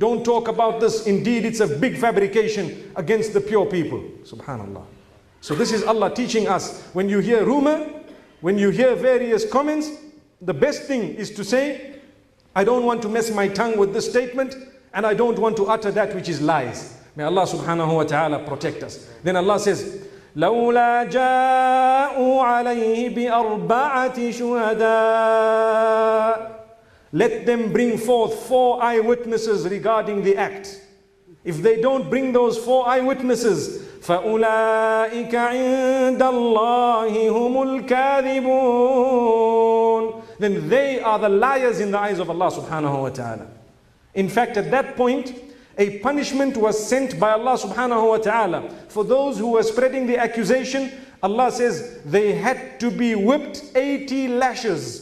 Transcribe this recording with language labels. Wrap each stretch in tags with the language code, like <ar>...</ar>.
<en>Don't talk about this. Indeed, it's a big fabrication against the pure people. Subhanallah. So this is Allah teaching us, when you hear rumor, when you hear various comments, the best thing is to say, I don't want to mess my tongue with this statement, and I don't want to utter that which is lies. May Allah subhanahu wa ta'ala protect us. Then Allah says,</en> <ar>لولا جاءوا عليه بأربعة شهداء.</ar> <en>Let them bring forth four eyewitnesses regarding the act. If they don't bring those four eyewitnesses,</en> <ar>فأولئك عند الله هم الكاذبون.</ar> <en>Then they are the liars in the eyes of Allah subhanahu wa ta'ala. In fact, at that point, a punishment was sent by Allah subhanahu wa ta'ala for those who were spreading the accusation. Allah says they had to be whipped 80 lashes.</en>